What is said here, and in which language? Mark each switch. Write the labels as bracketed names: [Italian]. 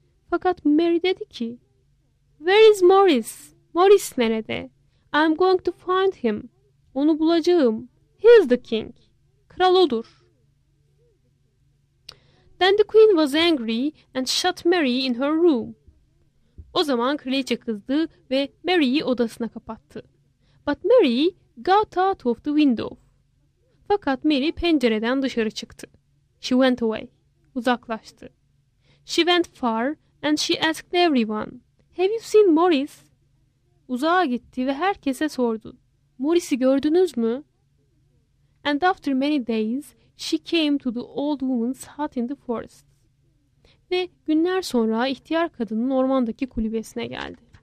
[Turkish] Fakat Mary dedi ki, [English] Where is Maurice? [Turkish] Maurice nerede? [English] I'm going to find him. [Turkish] Onu bulacağım. [English] He is the king. [Turkish] Kral odur. [English] Then the queen was angry and shut Mary in her room. [Turkish] O zaman kraliçe kızdı ve Mary'yi odasına kapattı. [English] But Mary got out of the window. [Turkish] Fakat Mary pencereden dışarı çıktı. [English] She went away. [Turkish] Uzaklaştı. [English] She went far and she asked everyone, Have you seen Maurice? [Turkish] Uzağa gitti ve herkese sordu. Maurice'i gördünüz mü? [English] And after many days, she came to the old woman's hut in the forest. [Turkish] Ve günler sonra ihtiyar kadının ormandaki kulübesine geldi.